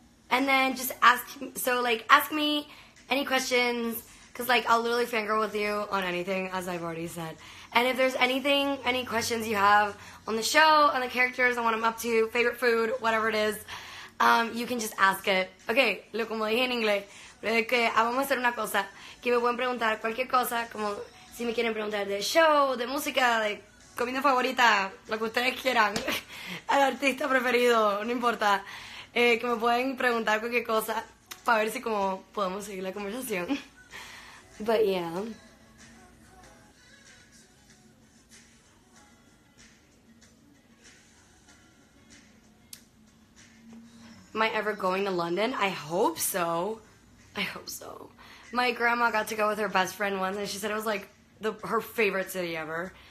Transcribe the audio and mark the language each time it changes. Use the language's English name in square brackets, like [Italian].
[English] And then just ask, so like, ask me any questions, because like, I'll literally fangirl with you on anything, as I've already said. And if there's anything, any questions you have on the show, on the characters, on what I'm up to, favorite food, whatever it is, you can just ask it. [Spanish] Okay, lo como dije en inglés, pero es que vamos a hacer una cosa, que me pueden preguntar cualquier cosa, como si me quieren preguntar de show, de música, de comida favorita, lo que ustedes quieran, al artista preferido, no importa, que me pueden preguntar cualquier cosa para ver si como podemos seguir la conversación. [English] But yeah. Am I ever going to London? I hope so. I hope so. My grandma got to go with her best friend once and she said it was like her favorite city ever.